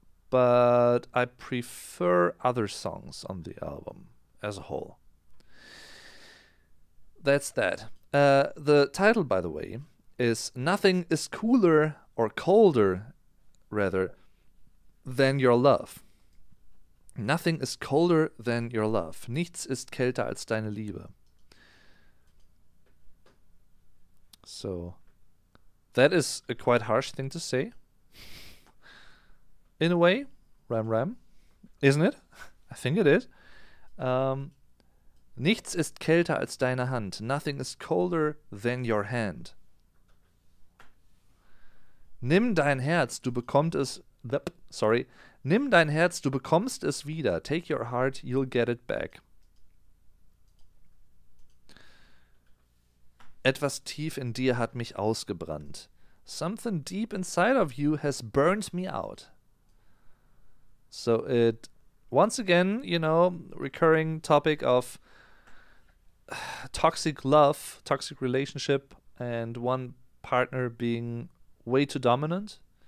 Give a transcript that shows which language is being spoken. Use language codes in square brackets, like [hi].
[en] But I prefer other songs on the album as a whole. That's that. The title, by the way, is Nothing is Cooler or Colder, rather, than Your Love. Nothing is colder than your love. [de] Nichts ist kälter als deine Liebe. [en] So, that is a quite harsh thing to say. In a way, ram, isn't it? I think it is. [de] Nichts ist kälter als deine Hand. [en] Nothing is colder than your hand. [de] Nimm dein Herz, du bekommst es. Nimm dein Herz, du bekommst es wieder. [en] Take your heart, you'll get it back. [de] Etwas tief in dir hat mich ausgebrannt. [en] Something deep inside of you has burned me out. So it, once again, you know, recurring topic of toxic love, toxic relationship, and one partner being way too dominant.